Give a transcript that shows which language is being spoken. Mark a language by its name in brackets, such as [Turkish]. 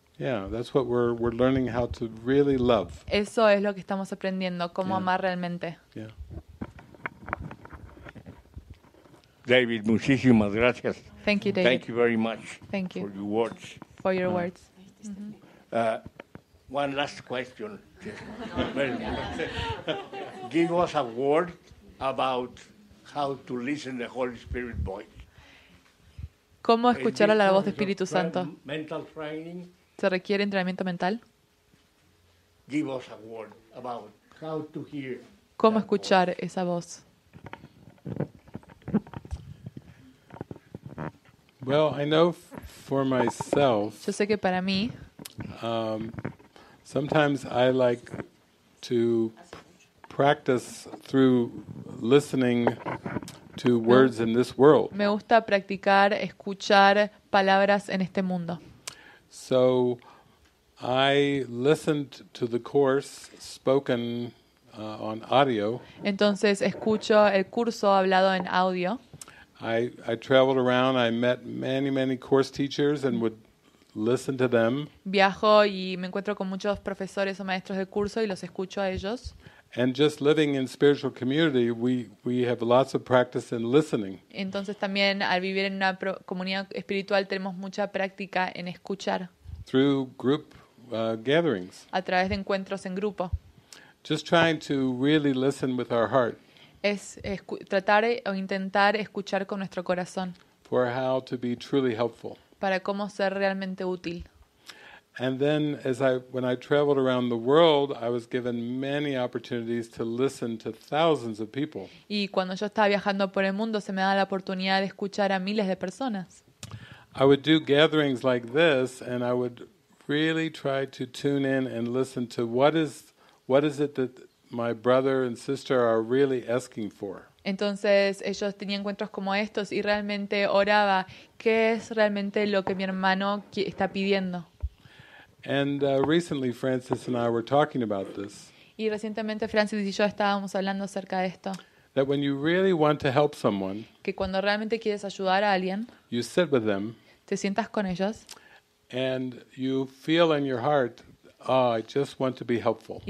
[English] Yeah, that's what we're learning how to really love. [Spanish] Eso es lo que estamos aprendiendo, cómo amar realmente. [English] Yeah. [Spanish] David, muchísimas gracias. [English] Thank you, David. Thank you very much. Thank you. For your words. For your words. Mm-hmm. One last question. Give us a word about how to listen to the Holy Spirit voice. [Spanish] ¿Cómo escuchar a la voz del Espíritu Santo? [English] Mental training. [Spanish] ¿Se requiere entrenamiento mental? [English] Give us a word about how to hear. [Spanish] ¿Cómo escuchar esa voz? [English] Well, I know for myself. [Spanish] Yo sé que para mí. [English] Sometimes I like to practice through listening to words in this world. [Spanish] Me gusta practicar escuchar palabras en este mundo. [English] So I listened to the course spoken on audio. [Spanish] Entonces escucho el curso hablado en audio. [English] I traveled around. I met many, many course teachers and would listen to them. [Spanish] Viajo y me encuentro con muchos profesores o maestros de curso y los escucho a ellos. [English] And just living in spiritual community, we have lots of practice in listening. [Spanish] Entonces también al vivir en una comunidad espiritual tenemos mucha práctica en escuchar. [English] Through group gatherings. [Spanish] A través de encuentros en grupo. [English] Just trying to really listen with our heart. [Spanish] Es tratar o intentar escuchar con nuestro corazón [English] for how to be truly helpful. [Spanish] Para cómo ser realmente útil. [English] And then as when I traveled around the world, I was given many opportunities to listen to thousands of people. [Spanish] Y cuando yo estaba viajando por el mundo se me da la oportunidad de escuchar a miles de personas. [English] I would do gatherings like this and I would really try to tune in and listen to what is it that my brother and sister are really asking for. [Spanish] Entonces ellos tenían encuentros como estos y realmente oraba qué es realmente lo que mi hermano está pidiendo. [English] And recently Francis and I were talking about this. [Spanish] Y recientemente Francis y yo estábamos hablando acerca de esto. [English] That when you really want to help someone, [Spanish] que cuando realmente quieres ayudar a alguien, [English] you sit with them, [Spanish] te sientas con ellos, [English] and you feel in your heart, oh, I just want to be helpful.